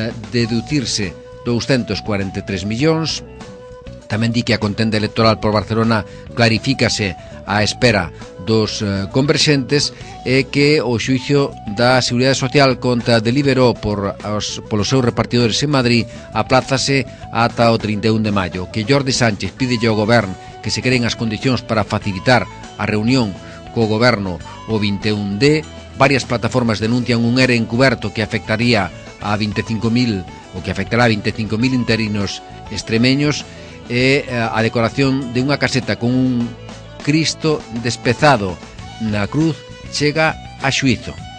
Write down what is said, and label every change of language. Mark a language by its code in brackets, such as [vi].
[gl] deducirse 243 millóns, tamén di que a contenda electoral por Barcelona clarifícase á espera dos converxentes e que o xuicio da Seguridade Social contra Deliveroo polos seus repartidores en Madrid aplázase ata o 31 de maio. Que Jordi Sánchez pide ao goberno que se creen as condicións para facilitar a reunión co goberno o 21D. [es] Varias plataformas denuncian un ERE encuberto que afectaría a 25.000 o que afectará a 25.000 interinos extremeños. [gl] E a decoración de unha caseta con un Cristo despezado na cruz chega a xuízo.